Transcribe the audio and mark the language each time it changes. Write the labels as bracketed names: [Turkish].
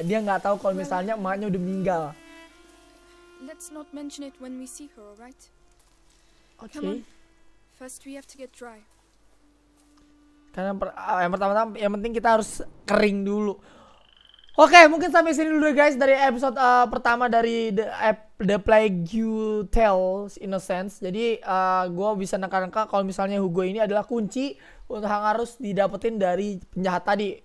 [Indonesian] Dia enggak tahu kalau misalnya emaknya udah meninggal. [English] Let's not mention it when we see her, alright? Okay. Come on. First we have to get dry. [Indonesian] Karena yang pertama-tama yang penting kita harus kering dulu. Oke, mungkin sampai sini dulu guys dari episode pertama dari The Plague Tale Innocence. Jadi gue bisa nangka-nangka kalau misalnya Hugo ini adalah kunci untuk yang harus didapetin dari penjahat tadi.